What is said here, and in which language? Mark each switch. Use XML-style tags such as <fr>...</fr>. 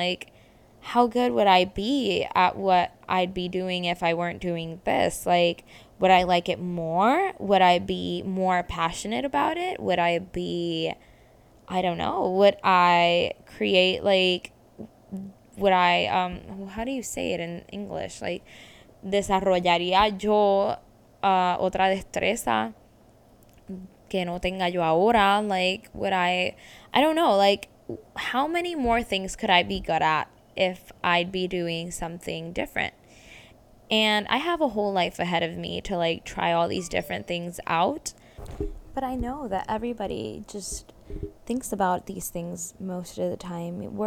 <en>Like, how good would I be at what I'd be doing if I weren't doing this? Like, would I like it more? Would I be more passionate about it? Would I be, I don't know, would I create, like, would I, how do you say it in English?</en> <es>Like, desarrollaría yo otra destreza que no tenga yo ahora?</es> <en>Like, would I don't know, like, how many more things could I be good at if I'd be doing something different? And I have a whole life ahead of me to, like, try all these different things out. But I know that everybody just thinks about these things most of the time.</en>